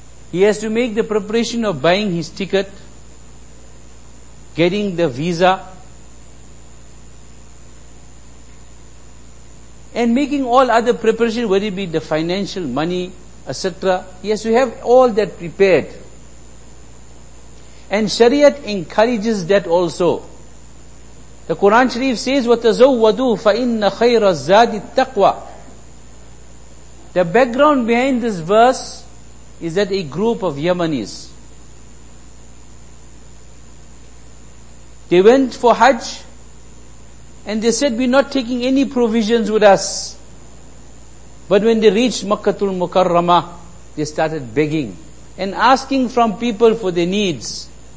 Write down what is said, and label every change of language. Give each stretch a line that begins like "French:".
English: He has to make the preparation of buying his ticket, getting the visa, and making all other preparation, whether it be the financial money, etc. He has to have all that prepared. And Shariat encourages that also. The Quran Sharif says,
Arabic: وَتَزَوَّدُوا فَإِنَّ خَيْرَ الزَّادِ التَّقْوَى.
English: The background behind this verse is that a group of Yemenis, they went for Hajj and they said, we're not taking any provisions with us. But when they reached Makkatul Mukarramah, they started begging and asking from people for their needs.